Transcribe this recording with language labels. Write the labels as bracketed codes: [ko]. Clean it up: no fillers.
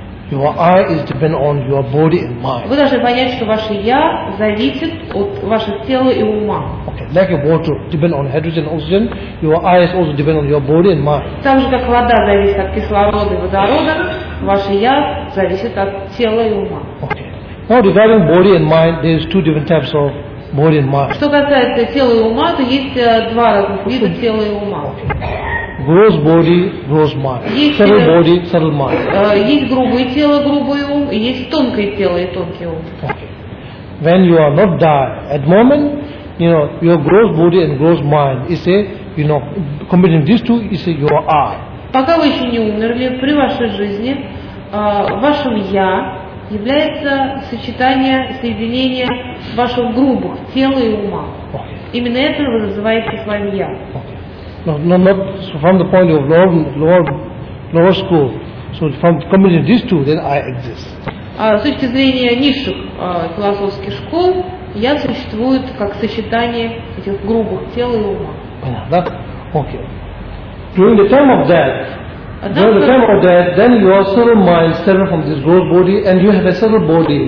[en] Your I is depend on your body and mind. [ru] Вы должны понять, что ваше я зависит от вашего тела и ума. [en] Okay, like water depend on hydrogen, oxygen. Your I is also depend on your body and mind. [ru] Так же как вода зависит от кислорода и водорода, ваше я зависит от тела и ума. [en] Okay. Now regarding body and mind, there is two different types of body and mind. [ru] Что касается тела и ума, то есть два разных вида тела и ума. [en] Okay. Gross body, gross mind. Subtle body, subtle mind. [ru] Есть грубое тело, грубый ум, и есть тонкое тело и тонкий ум. [en] Okay. When you are not die at moment, you know, your gross body and gross mind is a, you know, combining these two is a your I. [ru] Пока вы еще не умерли, при вашей жизни, вашим я является сочетание, соединение ваших грубых тела и ума. [en] Okay. [ru] Именно это вы называете своим я. [en] Okay. Not from the point of lower school. So from combining these two, then I exist. [ru] С точки зрения низших философских школ, я существую как сочетание этих грубых тел и ума. Понятно, да? Окей. [en] During the time of death, then you are subtle mind, separate from this gross body, and you have a subtle body.